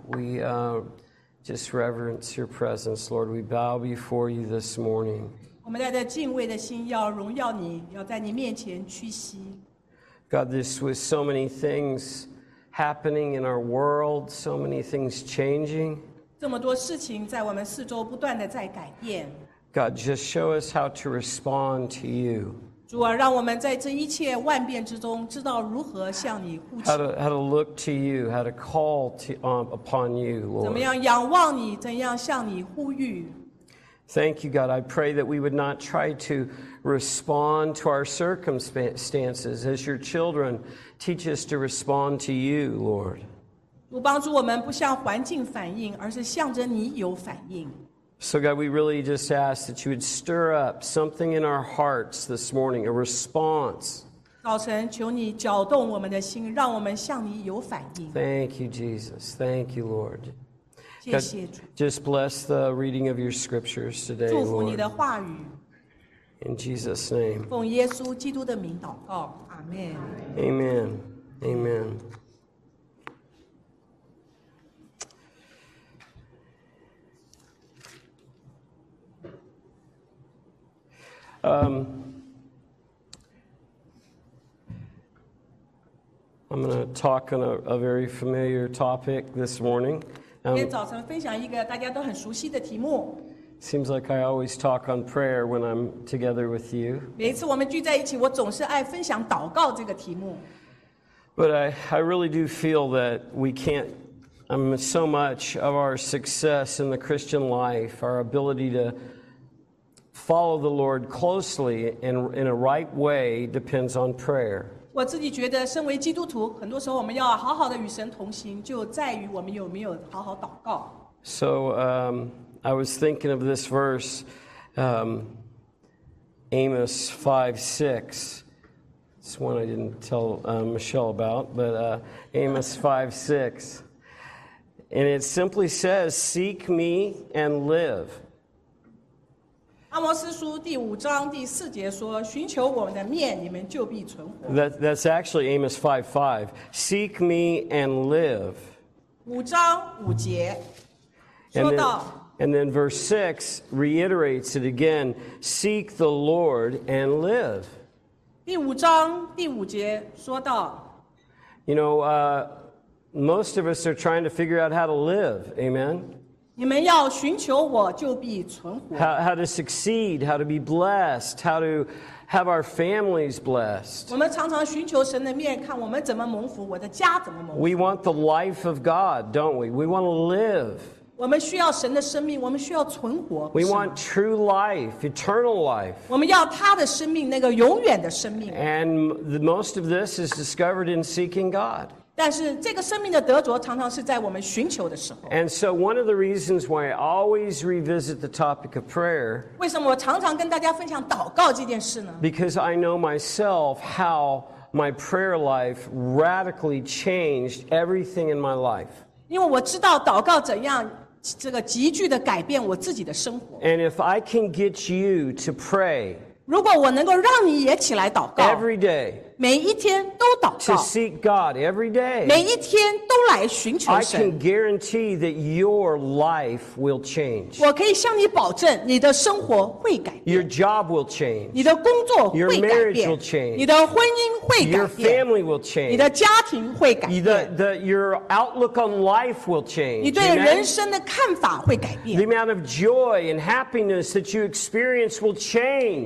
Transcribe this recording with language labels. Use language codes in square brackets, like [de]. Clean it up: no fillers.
[en] We just reverence your presence, Lord. We bow before you this morning. God, this was so many things happening in our world, so many things changing. [zh] 这么多事情在我们四周不断地在改变。 [en] God, just show us how to respond to you. [zh] 主啊, 让我们在这一切万变之中, 知道如何向你呼求。 [en] how to look to you, how to call to, upon you, Lord. [zh] 怎么样仰望你, 怎样向你呼吁。 [en] Thank you, God. I pray that we would not try to respond to our circumstances as your children. Teach us to respond to you, Lord. [zh] 主帮助我们不向环境反应, 而是向着你有反应。 [en] So God, we really just ask that you would stir up something in our hearts this morning, a response. [zh] 早晨求你搅动我们的心, 让我们向你有反应。 [en] Thank you, Jesus. Thank you, Lord. God, just bless the reading of your scriptures today, Lord. In Jesus' name. Amen. Amen. I'm going to talk on a very familiar topic this morning. [zh] 今天早晨分享一个大家都很熟悉的题目。 [en] Seems like I always talk on prayer when I'm together with you. [zh] 每一次我们聚在一起，我总是爱分享祷告这个题目。 [en] But I really do feel that we can't, I mean, so much of our success in the Christian life, our ability to follow the Lord closely and in a right way depends on prayer. [zh] 我自己觉得身为基督徒很多时候我们要好好的与神同行就在于我们有没有好好祷告 [en] So, I was thinking of this verse, Amos 5:6. It's one I didn't tell Michelle about, but Amos 5:6. And it simply says, seek me and live. [zh] 阿摩斯书第五章第四节说寻求我们的面你们就必存活 [en] That's actually Amos 5:5. Seek me and live. [zh] 五章五节说到 [en] And then verse 6 reiterates it again. Seek the Lord and live. [zh] 第五章第五节说到 [en] You know, most of us are trying to figure out how to live. Amen. [zh] 你们要寻求我就必存活。 [en] How to succeed, how to be blessed, how to have our families blessed. [zh] 我们常常寻求神的面看我们怎么蒙福我的家怎么蒙福。 [en] We want the life of God, don't we? We want to live. [zh] 我们需要神的生命我们需要存活。 [en] We want true life, eternal life. [zh] 我们要他的生命那个永远的生命。 [en] And the most of this is discovered in seeking God. [zh] 但是这个生命的得着常常是在我们寻求的时候。 [en] And so one of the reasons why I always revisit the topic of prayer [zh] 为什么我常常跟大家分享祷告这件事呢 [en] Because I know myself how my prayer life radically changed everything in my life. [zh] 因为我知道祷告怎样这个急剧地改变我自己的生活。 [en] And if I can get you to pray [zh] 如果我能够让你也起来祷告 [en] Every day [zh] 每一天都祷告 [en] To seek God every day. [zh] 每一天都来寻求神 [en] I can guarantee that your life will change. [zh] 我可以向你保证你的生活会改变 [en] Your job will change. [zh] 你的工作会改变 [en] Your marriage will change. [zh] 你的婚姻会改变 [en] Your family will change. [zh] 你的家庭会改变 [en] Your outlook on life will change. [zh] 你对人生的看法会改变 [en] The amount of joy and happiness that you experience will change.